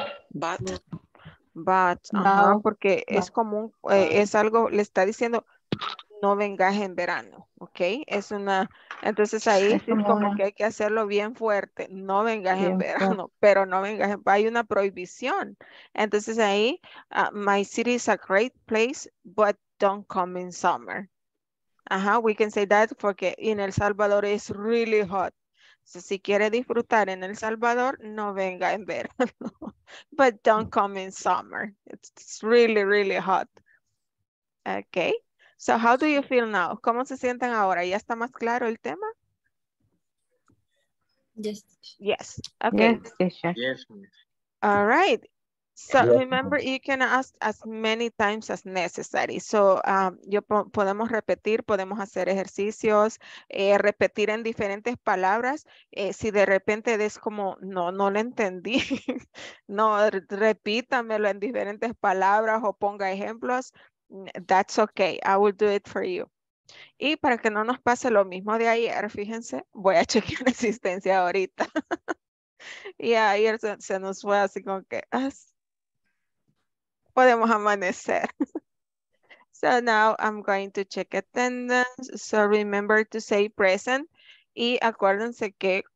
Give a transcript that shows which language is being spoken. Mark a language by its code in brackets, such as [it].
[en] But. [es] But. Porque no. Es común, es algo, le está diciendo, no vengas en verano, ¿ok? Es una, entonces ahí es como que hay que hacerlo bien fuerte, no vengas bien, en verano, bien. Pero no vengas, hay una prohibición. Entonces ahí, [en] my city is a great place, but don't come in summer. Ajá, we can say that [es] porque en [en] El Salvador is really hot. [es] So si quiere disfrutar en El Salvador, no venga en verano, [en] but don't come in summer. It's really, really hot, ¿ok? So how do you feel now? [es] ¿Cómo se sienten ahora? ¿Ya está más claro el tema? [en] Yes. Yes. Okay. Yes. All right. So remember, you can ask as many times as necessary. [es] So podemos repetir, podemos hacer ejercicios, repetir en diferentes palabras. Si de repente es como, no lo entendí, no, repítamelo en diferentes palabras o ponga ejemplos. [en] That's okay, I will do it for you. [es] Y para que no nos pase lo mismo de ayer, fíjense, voy a chequear la asistencia ahorita. Y ayer se nos fue así como que podemos amanecer. [en] So now I'm going to check attendance. So remember to say present. [es] Y acuérdense que